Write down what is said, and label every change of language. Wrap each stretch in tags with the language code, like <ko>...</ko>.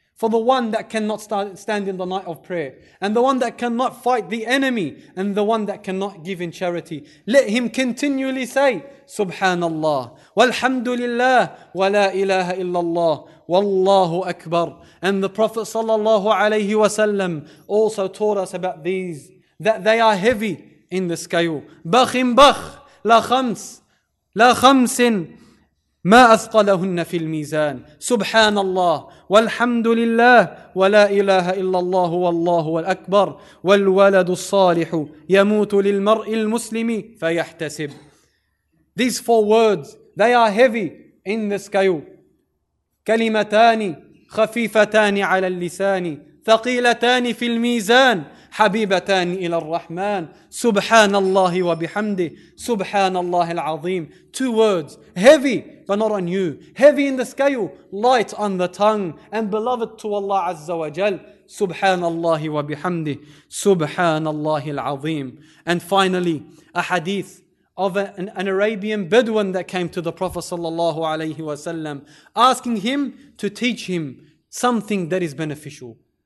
<en>For the one that cannot stand in the night of prayer, and the one that cannot fight the enemy, and the one that cannot give in charity, let him continually say, Subhanallah, walhamdulillah, wa la ilaha illallah, wallahu akbar. And the Prophet sallallahu alayhi wasallam also taught us about these, that they are heavy in the scale. Bakhim bakh, la khamsin.</en> <ar>ما أثقلهن في الميزان سبحان الله والحمد لله ولا إله إلا الله والله الأكبر والولد الصالح يموت للمرء المسلم فيحتسب.</ar> <en>These four words, they are heavy in the scale.</en> <ar>كلمتان خفيفتان على اللسان ثقيلتان في الميزان حبيبتان إلى الرحمن سبحان الله وبحمده سبحان الله العظيم.</ar> <en>Two words, heavy but not on you, heavy in the scale, light on the tongue, and beloved to Allah Azza wa Jal,</en> <ar>سبحان الله وبحمده سبحان الله العظيم.</ar> <en>And finally, a hadith of an Arabian Bedouin that came to the Prophet sallallahu alayhi wa sallam, asking him to teach him something that is beneficial.</en>